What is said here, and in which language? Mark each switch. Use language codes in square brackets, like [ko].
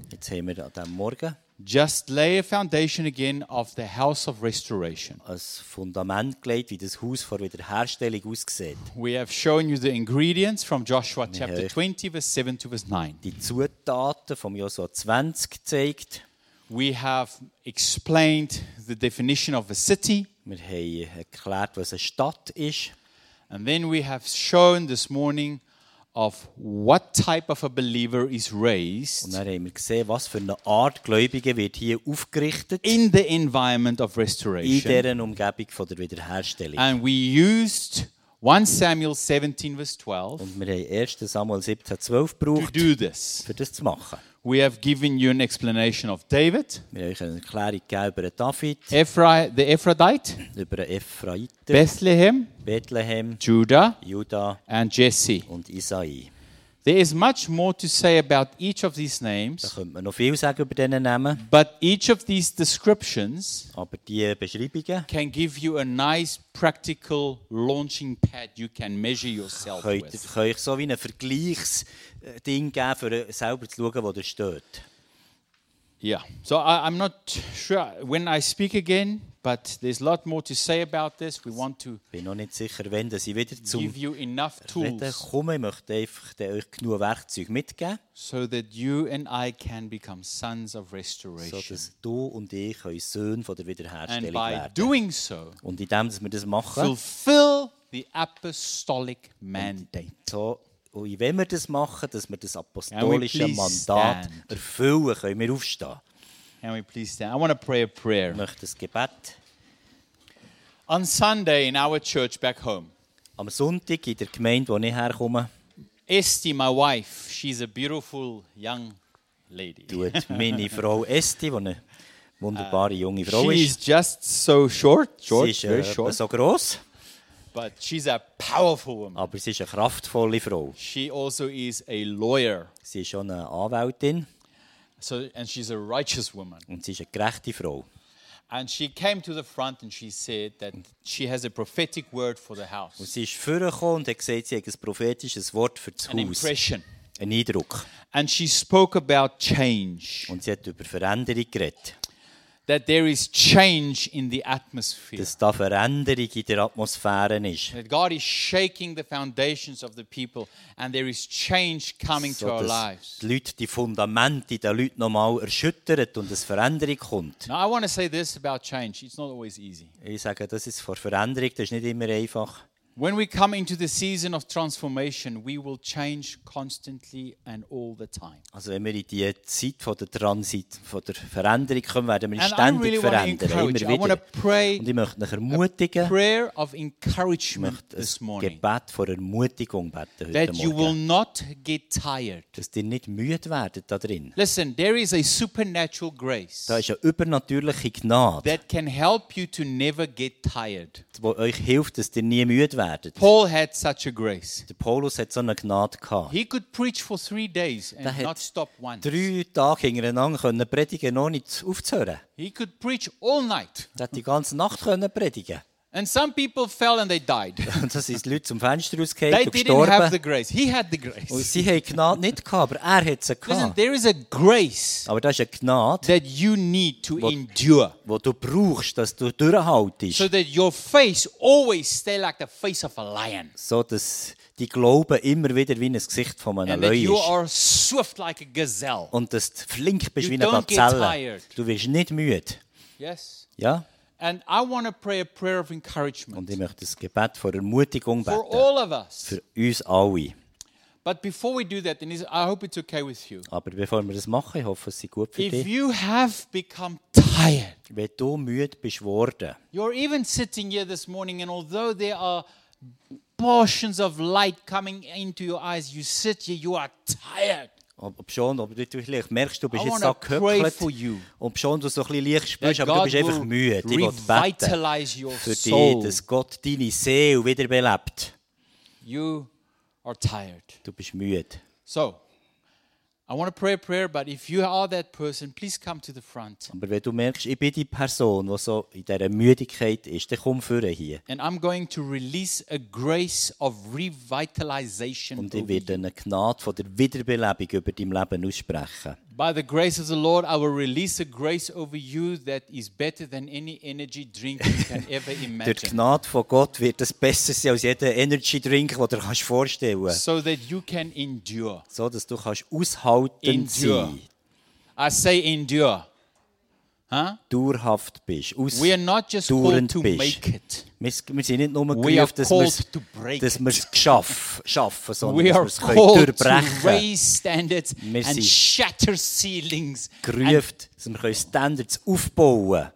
[de] jetzt haben wir an diesem Morgen, [en] just lay a foundation again of the house of restoration. [de] Ein Fundament gelegt, wie das Haus vor Wiederherstellung aussieht. [en] We have shown you the ingredients from Joshua chapter 20, verse 7 to verse 9. [de] Die Zutaten vom Joshua 20 gezeigt. [en] We have explained the definition of a city. [de] Wir haben erklärt, was eine Stadt ist. [en] And then we have shown this morning of what type of a believer is raised, [de] und dann haben wir gesehen, was für eine Art Gläubige wird hier aufgerichtet, [en] in the environment of restoration, [de] in deren Umgebung von der Wiederherstellung. [en] And we used 1 Samuel 17 verse 12, [de] und wir haben 1. Samuel 17, 12 gebraucht, [en] to do this, [de] für das zu machen. [en] We have given you an explanation of David, [de] wir haben euch eine Erklärung gegeben über David, [en] the Ephraite, [de] über Ephraiter, [en] Bethlehem, Judah, and Jesse, [de] und Isai. [en] There is much more to say about each of these names, [de] da könnte man noch viel sagen über diesen Namen, [en] but each of these descriptions, [de] aber die Beschreibungen, [en] can give you a nice practical launching pad you can measure yourself with. [de] Könnt ihr euch so wie ein Vergleichsding geben, für selber zu schauen, wo ihr steht. [en] Yeah, so I'm not sure when I speak again, but there's a lot more to say about this. We want to [de] bin noch nicht sicher, wenn, dass ich wieder zum [en] give you enough tools. [de] Komme. Ich möchte einfach euch genug Werkzeuge mitgeben, [en] so that you and I can become sons of restoration. [de] So dass du und ich euch Söhne von der Wiederherstellung [en] and by [de] werden. [en] Doing so, [de] und indem wir das machen, [en] fulfill the apostolic mandate. [de] Und wenn wir das machen, dass wir das apostolische Mandat erfüllen, können wir aufstehen. [en] Can we please stand? I want to pray a prayer. [de] Möchte das Gebet. [en] On Sunday in our church back home. [de] Am Sonntag in der Gemeinde, wo ich herkomme. [en] Esti, my wife, she's a beautiful young lady. [de] Tut meine Frau Esti, die eine wunderbare junge Frau [en] she [de] ist. [en] She is just so short. [de] Sie ist [en] very short. [de] So gross. [en] But she's a powerful woman. [de] Aber sie ist eine kraftvolle Frau. [en] She also is a lawyer. [de] Sie ist schon eine Anwältin. [en] So, and she's a righteous woman. [de] Und sie ist eine gerechte Frau. [en] And she came to the front and she said that she has a prophetic word for the house. [de] Und sie ist vorgekommen und hat gesagt, sie hat ein prophetisches Wort für das [en] An [de] Haus. [en] Impression. [de] Ein Eindruck. [en] And she spoke about change. [de] Und sie hat über Veränderung geredet. [en] That there is change in the atmosphere. [de] Dass da Veränderung in der Atmosphäre ist. [en] That God is shaking the foundations of the people and there is change coming to our lives. [de] Die Leute, die Fundamente der Leute nochmal erschüttert und es Veränderung kommt. [en] Now I want to say this about change. It's not always easy. [de] Ich sage, das ist vor Veränderung, das ist nicht immer einfach. [en] When we come into the season of transformation, we will change constantly and all the time. [de] Also, wenn wir in die Zeit von der Transit, von der Veränderung kommen, werden wir ständig verändern, immer wieder. Und ich möchte euch ermutigen. [en] Prayer of encouragement this morning. [de] Gebet vor Ermutigung beten heute Morgen. [en] That you will not get tired. [de] Dass ihr nicht müde werdet da drin. [en] Listen, there is a supernatural grace. [de] Da ist eine übernatürliche Gnade. [en] That can help you to never get tired. [de] Wo euch hilft, dass ihr nie müde werden. [en] Paul had such a grace. [de] Der Paulus hat so eine Gnade gehabt. [en] He could preach for 3 days and not stop once. [de] 3 Tage hintereinander können predigen, ohne aufzuhören. [en] He could preach all night. [de] Er hat die ganze Nacht können predigen. [en] And some people fell and they died. [de] Und das ist Leute zum Fenster rausgefallen [en] they [de] und gestorben. [en] Didn't have the grace. He had the grace. [de] Und sie haben Gnade nicht gehabt, aber er hat sie gehabt. [en] Listen, there is a grace. [de] Aber das ist eine Gnade, [en] that you need to endure. [de] Wo du brauchst, dass du durchhaltest. [en] So that your face always stay like the face of a lion. [de] So dass die Glauben immer wieder wie ein Gesicht von einem [en] and [de] Löwe ist. [en] You are swift like a gazelle. [de] Und dass du flink bist [en] you [de] wie eine Gazelle. Du wirst nicht müde. [en] Yes. [de] Ja. [en] And I want to pray a prayer of encouragement. [de] Und ich möchte das Gebet vor Ermutigung beten. [en] For all of us. [de] Für uns alle. [en] But before we do that, then I hope it's okay with you. [de] Aber bevor wir das machen, ich hoffe, es ist gut für [en] if [de] dich. [en] If you have become tired. [de] Wenn du müde bist worden. [en] You're even sitting here this morning, and although there are portions of light coming into your eyes, you sit here, you are tired. [de] Ob schon, ob du dich merkst, du bist jetzt da gehöckelt. Ob schon, du so ein bisschen leicht spürst, aber du bist einfach müde. Ich will beten für dich, dass Gott deine Seele wiederbelebt. [en] You are tired. [de] Du bist müde. [en] So, I want to pray a prayer, but if you are that person, please come to the front. [de] Aber wenn du merkst, ich bin die Person, die so in dieser Müdigkeit ist, dann komm vorne hier. [en] And I'm going to release a grace of revitalization. [de] Und ich werde eine Gnade von der Wiederbelebung über dein Leben aussprechen. [en] By the grace of the Lord, I will release a grace over you that is better than any energy drink you can ever imagine. [de] Durch Gnade von Gott wird das besser sein als jeder Energy Drink, den du kannst vorstellen. [en] So that you can endure. [de] So dass du kannst aushalten sein. [en] I say endure. Huh? [de] Dauerhaft bist. [en] We are not just called to make it. [de] Wir sind nicht nur gerufen, dass wir es schaffen, sondern [en] we [de] dass wir es durchbrechen können. [en] To raise standards [de] wir sind [en] and shatter ceilings [de] gerufen, dass wir Standards aufbauen